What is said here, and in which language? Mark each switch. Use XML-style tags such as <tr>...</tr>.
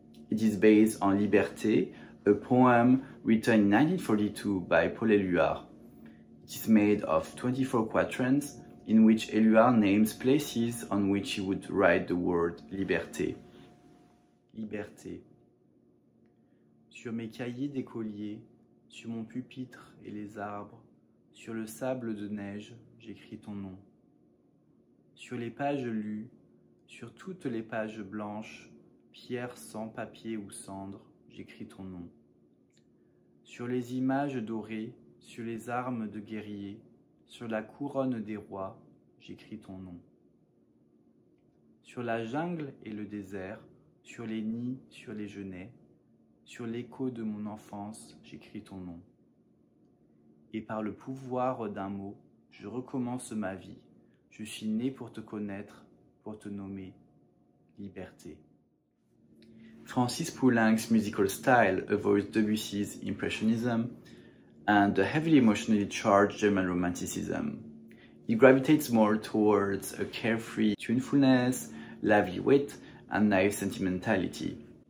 <en>It is based on Liberté, a poem written in 1942 by Paul Éluard. It is made of 24 quatrains in which Éluard names places on which he would write the word Liberté.</en> <fr>Liberté. Sur mes cahiers d'écolier, sur mon pupitre et les arbres, sur le sable de neige, j'écris ton nom. Sur les pages lues, sur toutes les pages blanches, pierre sans papier ou cendre, j'écris ton nom. Sur les images dorées, sur les armes de guerriers, sur la couronne des rois, j'écris ton nom. Sur la jungle et le désert, sur les nids, sur les genêts, sur l'écho de mon enfance, j'écris ton nom. Et par le pouvoir d'un mot, je recommence ma vie. Je suis né pour te connaître, pour te nommer Liberté.</fr> <en>Francis Poulenc's musical style avoids Debussy's impressionism and the heavily emotionally charged German romanticism. He gravitates more towards a carefree tunefulness, lively wit, and naive sentimentality.</en>